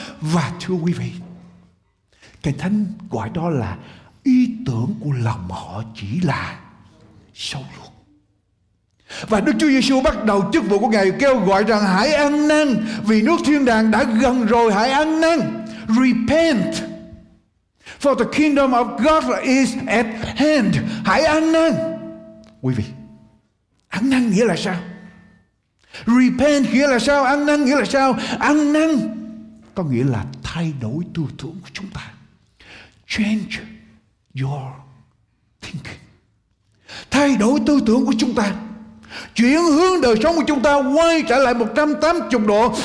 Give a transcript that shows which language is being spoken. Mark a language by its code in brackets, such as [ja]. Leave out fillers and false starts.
[vi] Và thưa quý vị, Kinh Thánh gọi đó là ý tưởng của lòng họ chỉ là xấu luôn. Và Đức Chúa Giê-xu bắt đầu chức vụ của Ngài kêu gọi rằng hãy ăn năn, vì nước thiên đàng đã gần rồi, hãy ăn năn. [en] Repent, for the kingdom of God is at hand. [vi] Hãy ăn năn. Quý vị, ăn năn nghĩa là sao? Repent nghĩa là sao? Ăn năn nghĩa là sao? Ăn năn có nghĩa là thay đổi tư tưởng của chúng ta. [en] Change your thinking. [vi] Thay đổi tư tưởng của chúng ta, chuyển hướng đời sống của chúng ta, quay trở lại 180 độ.